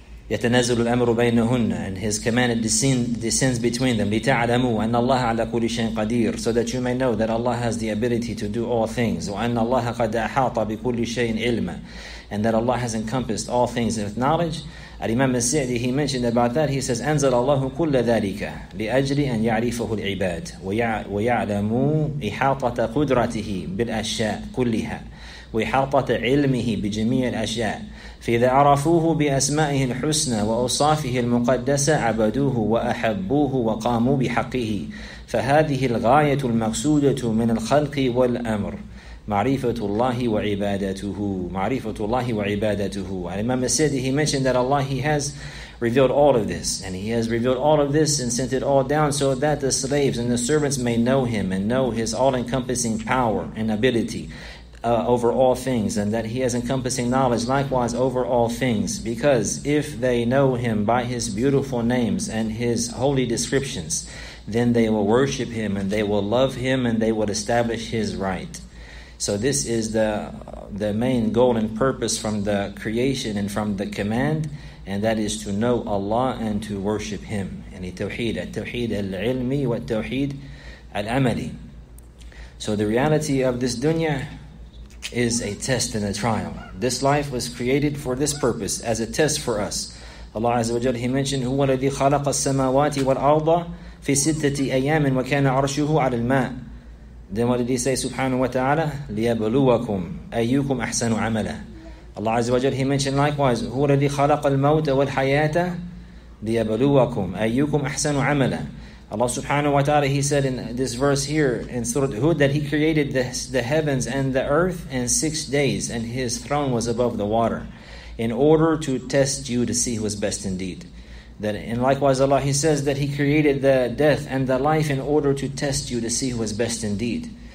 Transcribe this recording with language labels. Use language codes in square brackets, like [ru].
[ar] يتنزل الأمر بينهن, [en] and His command descends between them. [ar] لتعلموا أن الله على كل شيء قدير, [en] so that you may know that Allah has the ability to do all things. [ar] وأن الله قد أحاط بكل شيء علما, [en] and that Allah has encompassed all things with knowledge. الإمام السعدي, he mentioned about that. He says, [ar] أنزل الله كل ذلك لأجل أن يعرفه العباد ويعلموا إحاطة قدرته بالأشياء كلها وإحاطة علمه بجميع الأشياء. فإذا عرفوه بأسمائه الحسنى وأوصافه المقدسة عبدوه وأحبوه وقاموا بحقه, فهذه الغاية المقصودة من الخلق والأمر, معرفة الله وعبادته, معرفة الله وعبادته. [en] Imam al-Sidi, he mentioned that Allah, He has revealed all of this, and He has revealed all of this and sent it all down so that the slaves and the servants may know Him and know His all-encompassing power and ability over all things, and that He has encompassing knowledge likewise over all things. Because if they know Him by His beautiful names and His holy descriptions, then they will worship Him and they will love Him and they will establish His right. So this is the main goal and purpose from the creation and from the command, and that is to know Allah and to worship Him. [ar] And التوحيد, التوحيد العلمي والتوحيد العملي. [en] So the reality of this dunya is a test and a trial. This life was created for this purpose, as a test for us. [ar] Allah Azza wa Jalla, [en] He mentioned, [ar] هُوَ الَّذِي خَلَقَ السَّمَاوَاتِ وَالْأَرْضَ فِي سِتَّةِ أَيَّامٍ وَكَانَ عَرْشُهُ عَلَى الْمَاءِ. [en] Then what did He say? [ar] Subhanahu wa ta'ala, لِيَبْلُوَكُمْ أَيُّكُمْ أَحْسَنُ عَمَلًا. Allah Azza wa Jalla, [en] He mentioned likewise, [ar] هُوَ الَّذِي خَلَقَ الْمَوْتَ وَالْحَيَاةَ لِيَبْلُوَكُمْ أَيُّكُمْ أَحْسَنُ عَمَلًا. [en] Allah Subhanahu wa Ta'ala, He said in this verse here in Surah Hud that He created the heavens and the earth in 6 days, and His throne was above the water, in order to test you to see who is best indeed. That, and likewise Allah, He says that He created the death and the life in order to test you to see who is best indeed.